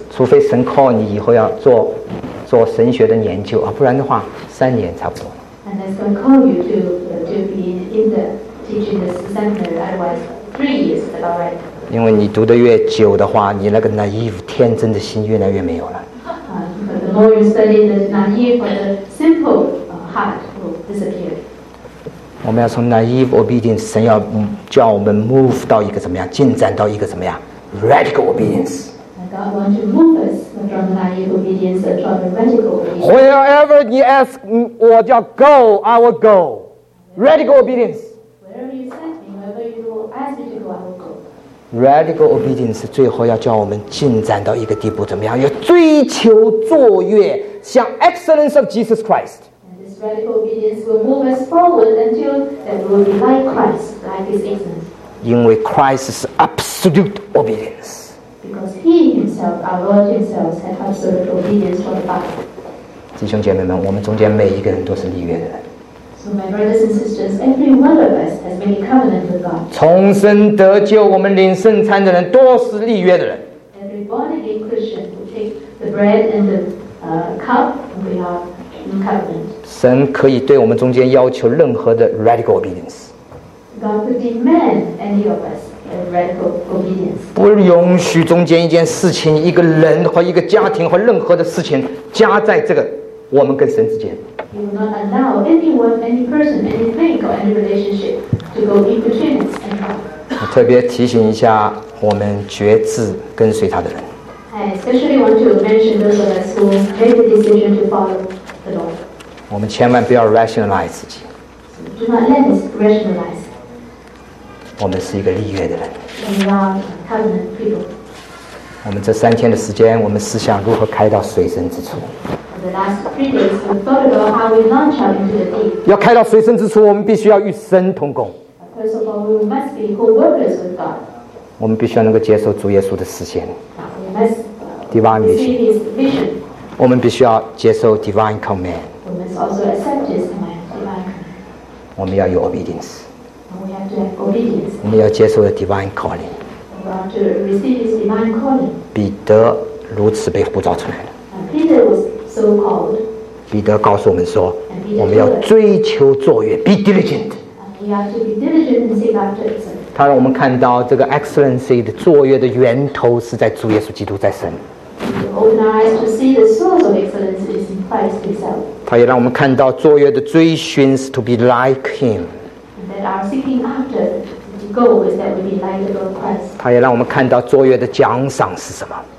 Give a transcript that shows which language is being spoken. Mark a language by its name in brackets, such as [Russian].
[Chinese] 除非神 call 你以后要做做神学的研究啊，不然的话，三年差不多。 [English] And that's going to call you to be in the teaching the seminary. Otherwise, 3 years is all right. [Chinese] 因为你读得越久的话，你那个 naive 天真的心越来越没有了。 [English] The more you study, the naive or the simple heart will disappear. [Chinese] 我们要从 naive obedience， 神要叫我们 move 到一个怎么样，进展到一个怎么样 radical obedience. [English] God wants to move us from naive obedience to radical obedience. Wherever you ask, [Chinese] 我要 [English] go, I will go. Radical obedience. Wherever you send me, wherever you ask me to go, I will go. [Chinese] Radical obedience 最后要叫我们进展到一个地步，怎么样？要追求卓越，像 [English] excellence of Jesus Christ. And this radical obedience will move us forward until we will be like Christ, like His excellence. 因为 Christ is absolute obedience. Because He Himself, our Lord Himself, has absolute obedience for the Father. [Chinese] 弟兄姐妹们，我们中间每一个人都是立约的人。 [English] So my brothers and sisters, every one of us has made a covenant with God. [Chinese] 重生得救，我们领圣餐的人都是立约的人。 [English] Every born again Christian who take the bread and the cup, we are in covenant. [Chinese] 神可以对我们中间要求任何的 radical obedience. [English] God could demand any of us a radical obedience. [Chinese] 不允许中间一件事情、一个人或一个家庭或任何的事情加在这个我们跟神之间。 [English] You will not allow anyone, any person, any thing, or any relationship to go in between us and God. I especially want to mention those of us who make the decision to follow the Lord. [Chinese] We 千万不要 rationalize 自己. [English] Do not let us rationalize. We are [Chinese] 一个立约的人. [English] We are covenant people. [Chinese] 我们这三天的时间，我们思想如何开到水深之处。 [English] The last 3 days, we thought about how we launch out into the deep. [Chinese] 要开到水深之处，我们必须要与神同工。 [English] First of all, we must be co-workers with God. [Chinese] 我们必须要能够接受主耶稣的视线。 [English] We must divine vision. [Chinese] 我们必须要接受 divine command. [English] We must also accept His command. [Chinese] 我们要有 obedience. [English] We have to have obedience. [Chinese] 我们要接受 divine calling. [English] We want to receive His divine calling. [Chinese] 彼得如此被呼召出来的。 [English] Peter was. So-called. [Chinese] 彼得告诉我们说 [English] And Peter told us, [Chinese] 我们要追求卓越 [English] be diligent. We have to be diligent and seek after excellence. [Chinese] 他让我们看到这个 excellency 的卓越的源头是在主耶稣基督在神。 [English] To open our eyes to see the source of excellence is in Christ himself. [Chinese] 他也让我们看到卓越的追寻是 [English] to be like him. And that our seeking after the goal is that we be like the Lord Christ. [Chinese] 他也让我们看到卓越的奖赏是什么。